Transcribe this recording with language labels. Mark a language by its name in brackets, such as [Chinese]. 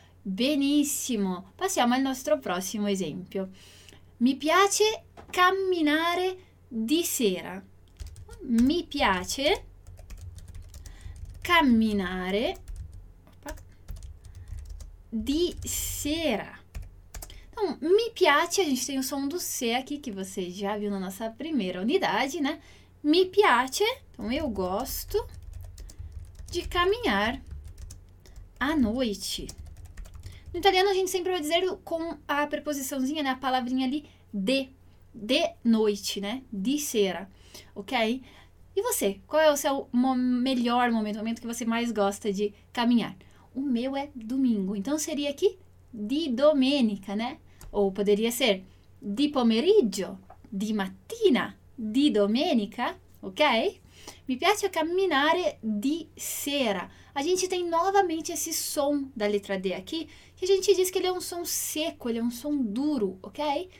[Italian] Benissimo, passiamo al nostro prossimo esempio. Mi piace camminare di sera. Mi piace camminare di sera. [Portuguese] Então, [Italian] mi piace, [Portuguese] a gente tem o som do C aqui, que você já viu na nossa primeira unidade, né? [Italian] Mi piace, [Portuguese] então eu gosto de caminhar à noite. No italiano, a gente sempre vai dizer com a preposiçãozinha, né? A palavrinha ali, de noite, né? [Italian] Di sera, [Portuguese] ok? E você, qual é o seu melhor momento, o momento que você mais gosta de caminhar? O meu é domingo, então seria aqui [Italian] di domenica, [Portuguese] né? Ou poderia ser [Italian] di pomeriggio, di mattina, di domenica, [Portuguese] ok? [Italian] Mi piace camminare di sera. [Portuguese] A gente tem novamente esse som da letra D aqui, que a gente diz que ele é um som seco, ele é um som duro, ok?